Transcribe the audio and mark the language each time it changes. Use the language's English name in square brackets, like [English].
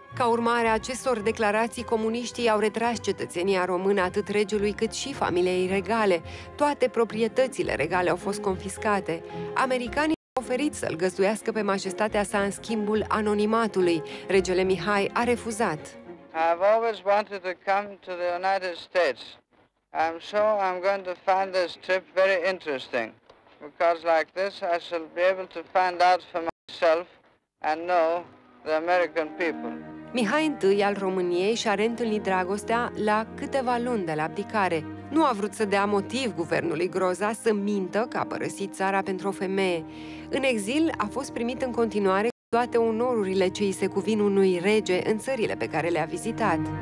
[Romanian] Ca urmare a acestor declarații, comuniștii au retras cetățenia română atât regelui cât și familiei regale. Toate proprietățile regale au fost confiscate. Americanii oferit să-l găzduiască pe majestatea sa în schimbul anonimatului. Regele Mihai a refuzat. [English] I've always wanted to come to the United States. I'm sure I'm going to find this trip very interesting, because like this I shall be able to find out for myself and know the American people. [Romanian] Mihai I al României și-a reîntâlnit dragostea la câteva luni de la abdicare. Nu a vrut să dea motiv guvernului Groza să mintă că a părăsit țara pentru o femeie. În exil a fost primit în continuare cu toate onorurile ce îi se cuvin unui rege în țările pe care le-a vizitat.